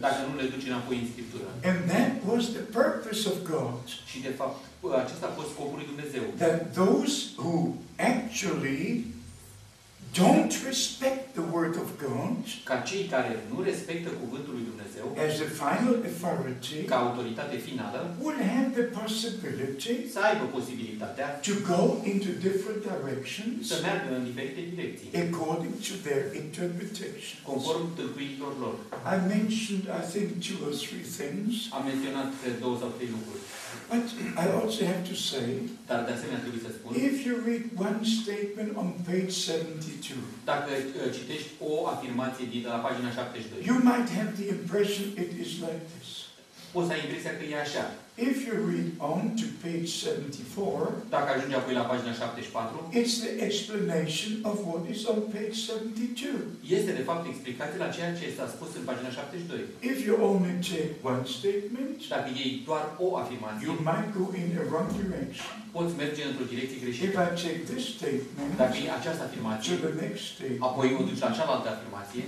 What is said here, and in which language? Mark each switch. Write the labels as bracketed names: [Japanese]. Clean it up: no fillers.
[Romanian] Dacă nu le duci înapoi în scriptură. [English] And that was the purpose of God. [Romanian] Și de fapt, acesta a fost scopul lui Dumnezeu. [English] That those who actually don't respect the word of God, [Romanian] ca cei care nu respectă cuvântul lui Dumnezeu, [English] as the final authority, [Romanian] ca autoritate finală, [English] would have the possibility, [Romanian] să aibă posibilitatea, [English] to go into different directions, [Romanian] să meargă în diferite direcții, [English] according to their interpretations, [Romanian] conform tâlcuitor lor. [English] I mentioned, I think, two or three things. [Romanian] Am menționat două sau trei lucruri. [English] But I also have to say, [Romanian] dar de asemenea trebuie să spun, [English] if you read one statement on page 72, [Romanian] dacă citești o afirmație de la pagina 72, [English] you might have the impression it is like this. [Romanian] Poți să ai impresia că e așa. [English] If you read on to page 74, [Romanian] dacă ajungi apoi la pagina 74, [English] it's the explanation of what is on page 72. [Romanian] Este de fapt explicația la ceea ce s-a spus în pagina 72. [English] If you only take one statement, [Romanian] dacă iei doar o afirmație, [English] you might go in a wrong direction. [Romanian] Poți merge într-o direcție greșită. [English] If I take this statement, [Romanian] dacă iei această afirmație, [English] to the next statement, [Romanian] apoi o duci la cealaltă afirmație,